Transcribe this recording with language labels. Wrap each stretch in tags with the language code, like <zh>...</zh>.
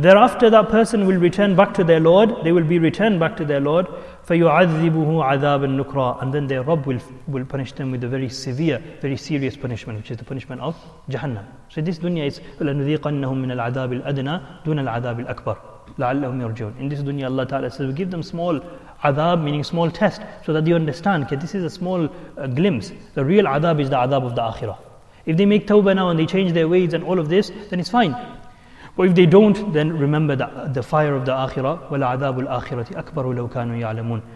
<en>Thereafter that person will return back to their Lord. They will be returned back to their Lord.</en> <ar>فَيُعَذِّبُهُ عَذَابًا نُكْرًا.</ar> <en>And then their Rabb will punish them with a very severe, very serious punishment, which is the punishment of Jahannam. So this dunya is</en> <ar>لَنُذِيقَنَّهُمْ مِنَ الْعَذَابِ الْأَدْنَى دُونَ الْعَذَابِ الْأَكْبَرِ لَعَلَّهُمْ يَرْجِعُونَ.</ar> <en>In this dunya Allah Ta'ala says, we give them small adab, meaning small test, so that you understand that this is a small glimpse. The real adab is the adab of the akhirah. If they make tawbah now and they change their ways and all of this, then it's fine. But if they don't, then remember the fire of the akhirah.</en> <ar>وَلَا عَذَابُ الْآخِرَةِ أَكْبَرُ لَوْ كَانُوا يَعْلَمُونَ.</ar>